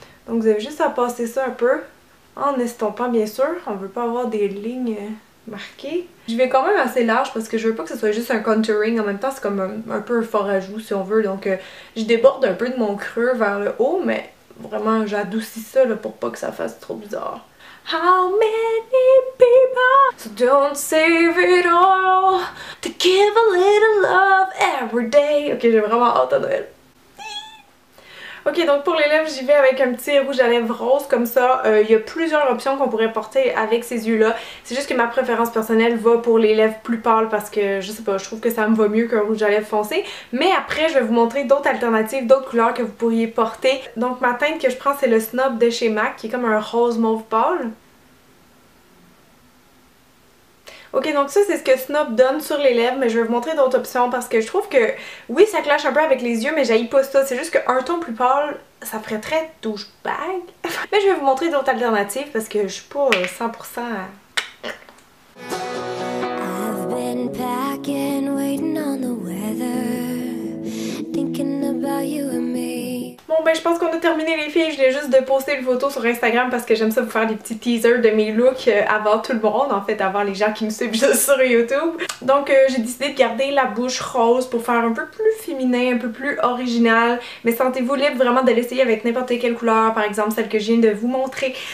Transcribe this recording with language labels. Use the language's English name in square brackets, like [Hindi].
[French] Donc vous avez juste à passer ça un peu en estompant bien sûr. On veut pas avoir des lignes marqué. Je vais quand même assez large parce que je veux pas que ce soit juste un contouring. En même temps, c'est comme un peu un fort ajout si on veut. Donc, je déborde un peu de mon creux vers le haut, mais vraiment, j'adoucis ça là, pour pas que ça fasse trop bizarre. [English] How many people don't save it all to give a little love every day? [French] Ok, j'ai vraiment hâte à Noël. Ok, donc pour les lèvres, j'y vais avec un petit rouge à lèvres rose comme ça. Il y a plusieurs options qu'on pourrait porter avec ces yeux-là. C'est juste que ma préférence personnelle va pour les lèvres plus pâles parce que, je sais pas, je trouve que ça me va mieux qu'un rouge à lèvres foncé. Mais après, je vais vous montrer d'autres alternatives, d'autres couleurs que vous pourriez porter. Donc ma teinte que je prends, c'est le Snob de chez MAC qui est comme un rose mauve pâle. Ok, donc ça c'est ce que Snob donne sur les lèvres, mais je vais vous montrer d'autres options parce que je trouve que oui, ça clash un peu avec les yeux, mais j'haïs pas ça. C'est juste qu'un ton plus pâle, ça ferait très douchebag. Mais je vais vous montrer d'autres alternatives parce que je suis pas 100%... [English] I've been packing, waiting on the weather, thinking about you and me. [French] Bon ben je pense qu'on a terminé les filles, je voulais juste de poster une photo sur Instagram parce que j'aime ça vous faire des petits teasers de mes looks avant tout le monde, en fait avant les gens qui me suivent juste sur YouTube. Donc j'ai décidé de garder la bouche rose pour faire un peu plus féminin, un peu plus original, mais sentez-vous libre vraiment de l'essayer avec n'importe quelle couleur, par exemple celle que je viens de vous montrer.